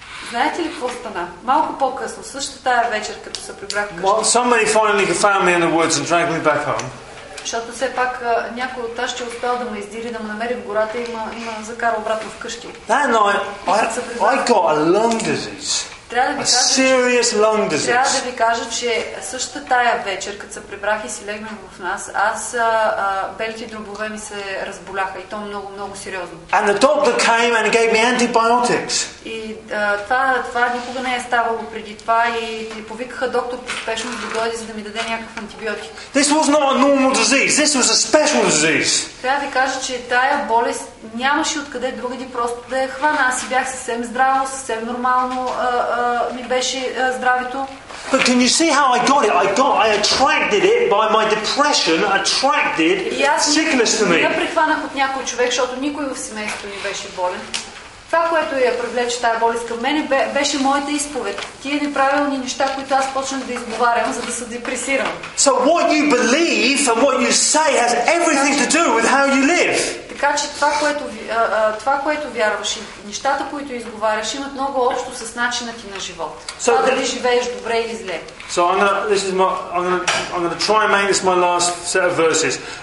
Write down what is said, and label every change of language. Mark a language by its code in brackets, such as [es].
[bg] Знаете ли какво стана? Малко по-късно, същата тая вечер, като се прибрах вкъщи. [en] Somebody finally found me in the woods and dragged me back home. [bg] Защото все пак някой от тази ще успял да ме издири, да ме намери в гората и ме закара обратно вкъщи. [en] That night, I got a lung disease. [bg] Трябва да ви кажа, че същата тая вечер, като се прибрах и си легнах в нас, аз белите дробове ми се разболяха и то много, много сериозно. [en] And the doctor came and gave me antibiotics. [bg] И това никога не е ставало преди това и повикаха доктор по спешно да дойде, за да ми даде някакъв антибиотик. [en] This was not a normal disease. This was a special disease. [bg] Трябва да ви кажа, че тая болест нямаше откъде другаде просто да я хвана. Аз си бях съвсем здраво, съвсем нормално ми беше здравето. [en] But can you see how I got it? I attracted it by my depression, attracted sickness to me. [bg] Я прихванах от някой човек, защото никой в семейството ми беше болен. Това, което я привлече тая болест към мене, беше моята изповед. Тие неправилни неща, които аз почнах да изговарям, за да се депресирам. [en] So what you believe and what you say has everything to do with how you live. [bg] Така че това, което вярваш и нещата, които изговаряш, имат много общо с начина ти на живот. Това дали живееш добре или зле. [en] So I'm gonna try and make this my last set of verses.